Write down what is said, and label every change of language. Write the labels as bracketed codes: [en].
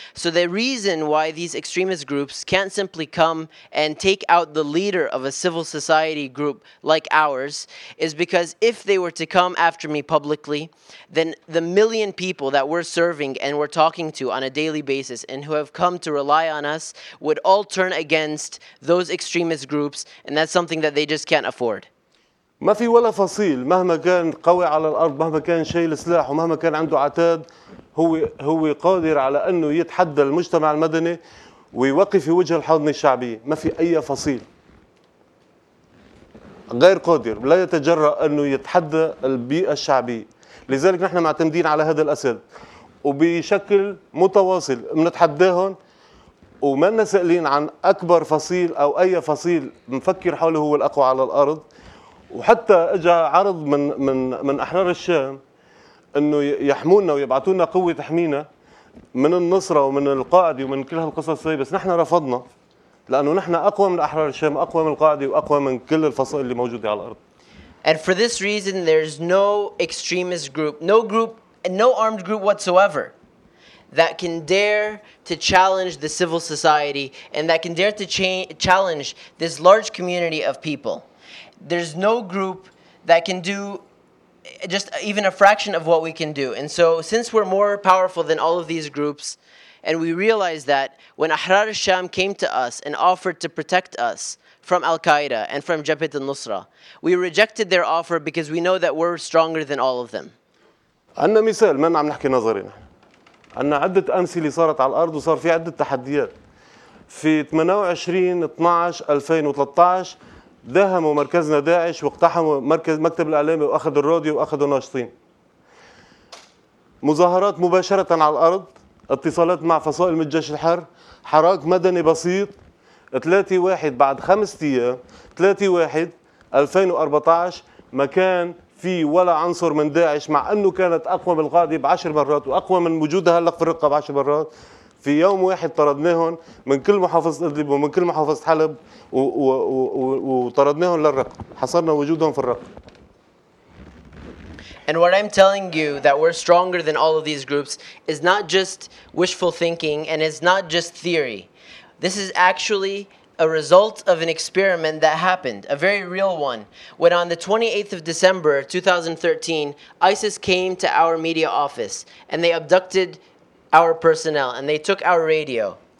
[en] So the reason why these extremist groups can't simply come and take out the leader of a civil society group like ours is because if they were to come after me publicly, then the million people that we're serving and we're talking to on a daily basis and who have come to rely on us would all turn against those extremist groups, and that's something that they just can't afford. [ar] ما في ولا فصيل مهما كان قوي على الأرض مهما كان شايل سلاح ومهما كان عنده عتاد هو قادر على أنه يتحدى المجتمع المدني ويوقف في وجه الحاضنة الشعبية ما في أي فصيل غير قادر لا يتجرأ أنه يتحدى البيئة الشعبية لذلك نحن معتمدين على هذا الأسد وبشكل متواصل منتحداهم وما نسألين عن أكبر فصيل أو أي فصيل مفكر حوله هو الأقوى على الأرض. وحتى أجا عرض من من من أحرار الشام إنه يحمونا ويبعثونا قوة تحمينا من النصرة ومن القاعدة ومن كل هالقصص هاي، بس نحن رفضنا لأنه نحن أقوى من أحرار الشام، أقوى من القاعدة وأقوى من كل الفصائل اللي موجودة على الأرض. [en] And for this reason, there's no extremist group, no group, and no armed group whatsoever that can dare to challenge the civil society and that can dare to challenge this large community of people. There's no group that can do just even a fraction of what we can do. And so since we're more powerful than all of these groups, and we realize that when Ahrar al-Sham came to us and offered to protect us from Al-Qaeda and from Jabhat al-Nusra, we rejected their offer because we know that we're stronger than all of them. [ar] عنا مثال ما عم نحكي نظري نحن. عنا عدة أمثلة صارت على الأرض وصار في عدة تحديات. في 28/12/2013 دهموا مركزنا داعش واقتحموا مركز مكتب الإعلامي وأخذوا الراديو وأخذوا الناشطين. مظاهرات مباشرة على الأرض، اتصالات مع فصائل من الجيش الحر، حراك مدني بسيط. 3/1 بعد 5 أيام 3/1/2014 ما كان في ولا عنصر من داعش، مع أنه كانت أقوى من القاعدة بعشر مرات وأقوى من وجودها هلق في الرقة بعشر مرات. في يوم واحد طردناهم من كل محافظة إدلب ومن كل محافظة حلب وطردناهم للرقة، حصرنا وجودهم في الرقة. [en] And what I'm telling you that we're stronger than all of these groups is not just wishful thinking and it's not just theory. This is actually a result of an experiment that happened, a very real one. When on the 28th of December 2013, ISIS came to our media office and they abducted our personnel and they took our radio.